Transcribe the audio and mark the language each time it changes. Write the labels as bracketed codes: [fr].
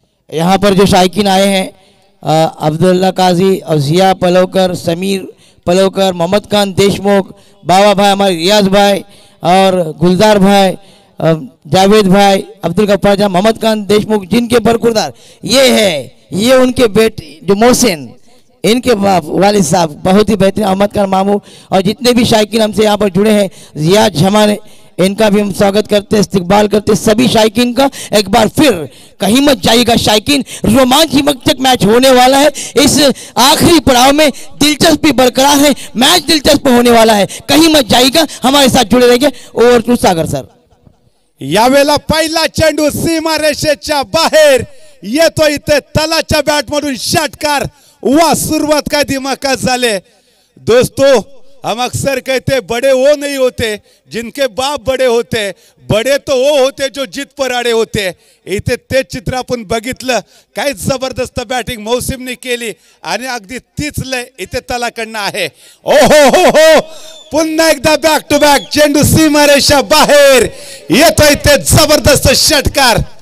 [hi] यहाँ पर जो शायकीन आए हैं, अब्दुल्ला काजी, अजिया पलोकर, समीर पलोकर, मोहम्मद खान देशमुख, बाबा भाई हमारे रियाज भाई और गुलजार भाई, जावेद भाई, अब्दुल गफ्फार जान, मोहम्मद खान देशमुख जिनके बरकरदार ये है, ये उनके बेटे जो मोहसिन, इनके बाप वाले साहब बहुत ही बेहतरीन, अहमद खान मामू और जितने भी शायकीन हमसे यहाँ पर जुड़े हैं, जिया जमान, इनका भी हम स्वागत करते हैं, इस्तकबाल करते हैं। सभी शायकीन का एक बार फिर, कहीं मत जाइएगा शायकीन, रोमांचक मैच होने वाला है। इस आखिरी पड़ाव में दिलचस्पी बरकरार है, मैच दिलचस्प होने वाला है, कहीं मत जाइएगा, हमारे साथ जुड़े रहेंगे। Over to Sagar sir. [mr] या वेला पहला चेंडू सीमा रेषेच्या बाहेर, ये तो इथे तलाच्या बॅट मधून षटकार, वा सुरुवात काय धमाका झाले दोस्तों। [hi] हम अक्सर कहते बड़े वो नहीं होते जिनके बाप बड़े होते, बड़े तो वो होते जो जीत पर आड़े होते। [mr] इथे ते चित्र आपण बघितलं, काय जबरदस्त बैटिंग मौसम ने केली, आणि अगदी तीच लय इथे तलाकडनं आहे। ओहो हो हो, पुन्हा एकदा बैक टू बैक चेंडू सीमारेषा बाहेर, येतोय ते जबरदस्त षटकार।